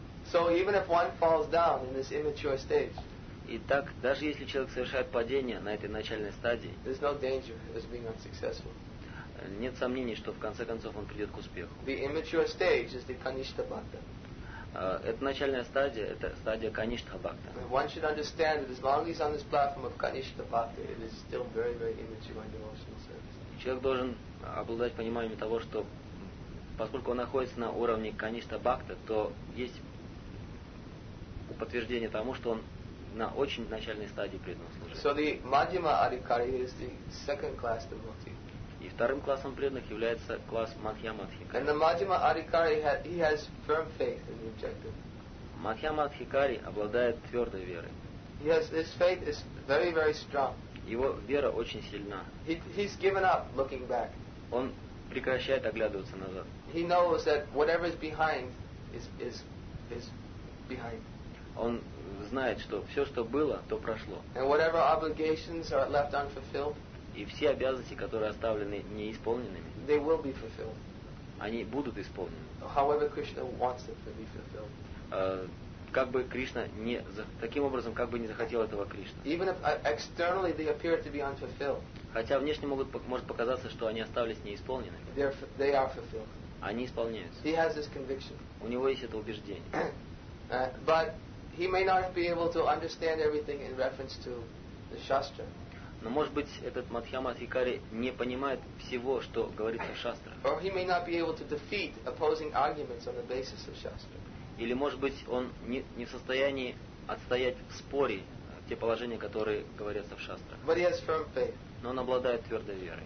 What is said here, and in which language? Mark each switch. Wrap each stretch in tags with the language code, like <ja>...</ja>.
<en>So even if one falls down in this immature stage.</en> <ru>Итак, даже если человек совершает падение на этой начальной стадии,</ru> <en>there's no danger of being unsuccessful.</en> <ru>Нет сомнений, что в конце концов он придет к успеху.</ru> <en>The immature stage is the kanishtha bhakta.</en> <ru>Это начальная стадия, это стадия kanishtha bhakta.</ru> <en>One should understand that as long as he's on this platform of kanishtha bhakta, it is still very, very immature in devotional service.</en> <ru>Человек должен обладать пониманием того, что поскольку он находится на уровне kanishtha bhakta, то есть подтверждение тому, что он на очень начальной стадии преданного служения.</ru> <en>So the Madhyama Adhikari is the second class devotee.</en> <ru>И вторым классом преданных является класс Madhyama Adhikari.</ru> <en>And the Madhyama Adhikari he has firm faith in the objective.</en> <ru>Madhyama Adhikari обладает твердой верой.</ru> <en>Yes, his faith is very, very strong.</en> <ru>Его вера очень сильна.</ru> <en>He's given up looking back.</en> <ru>Он прекращает оглядываться назад.</ru> <en>He knows that whatever is behind is behind.</en> <ru>Он знает, что все, что было, то прошло.</ru> <en>And whatever obligations are left unfulfilled,</en> <ru>и все обязанности, которые оставлены неисполненными,</ru> <en>they will be fulfilled.</en> <ru>Они будут исполнены.</ru> <en>However Krishna wants it to be fulfilled.</en> <ru>Как бы Кришна не таким образом, как бы не захотел этого Кришна.</ru> <en>Even if externally they appear to be unfulfilled,</en> <ru>хотя внешне могут, может показаться, что они остались неисполненными,</ru> <en>they are fulfilled.</en> <ru>Они исполняются.</ru> <en>He has this conviction.</en> <ru>У него есть это убеждение.</ru> <en>But he may not be able to understand everything in reference to the shastra.</en> <ru>Но может быть этот Madhyama Adhikari не понимает всего, что говорится в шастре.</ru> <en>Or he may not be able to defeat opposing arguments on the basis of shastra.</en> <ru>Или может быть он не в состоянии отстоять в споре те положения, которые говорятся в шастре.</ru> <en>But he has firm faith.</en> <ru>Но он обладает твердой верой.</ru>